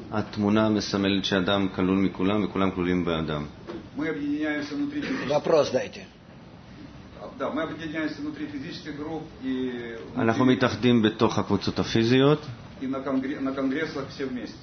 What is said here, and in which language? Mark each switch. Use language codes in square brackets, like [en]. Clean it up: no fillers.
[he] התמונה מסמלת שאדם כלול מכולם וכולם כלולים באדם. [ru] Мы объединяемся внутри. Вопрос дайте. Да, мы объединяемся внутри физических групп и [he] אנחנו מתאחדים בתוך הקבוצות הפיזיות. [ru] И на конгрессах все вместе.